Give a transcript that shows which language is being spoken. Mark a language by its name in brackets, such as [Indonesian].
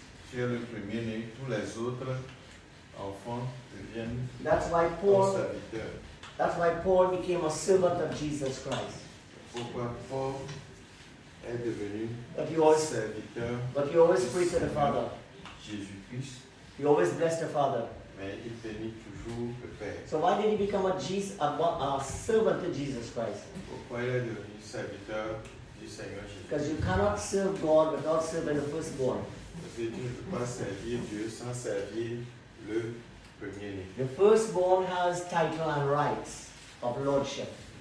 [French] Si le premier-né, tous les autres enfants deviennent. [English] That's why Paul became a servant of Jesus Christ. [French] Pourquoi Paul est devenu serviteur? [English] But he always prays to the Father. [French] Jésus Christ. [English] He always blessed the Father. [French] Mais il bénit toujours le Père. [English] So why did he become a servant to Jesus Christ? [French] Pourquoi il est devenu serviteur du Seigneur Jésus? [English] Because you cannot serve God without serving the firstborn. [French] Parce que tu ne peux pas servir Dieu sans servir le premier né. [English] The firstborn has title and rights of lordship.